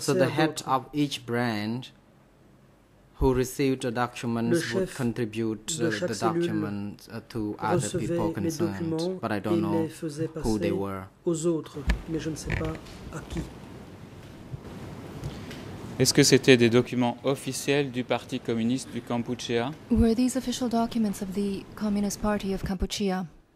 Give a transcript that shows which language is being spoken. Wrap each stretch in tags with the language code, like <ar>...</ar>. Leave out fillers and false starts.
<en>so the head of each branch who received the documents would contribute the documents to other people concerned, but I don't know who they were.</en> <fr>Aux autres, mais je ne sais pas à qui. Est-ce que c'était des documents officiels du Parti communiste du Kampuchea?</fr> <en>Were these official documents of the Communist Party of Kampuchea?</en>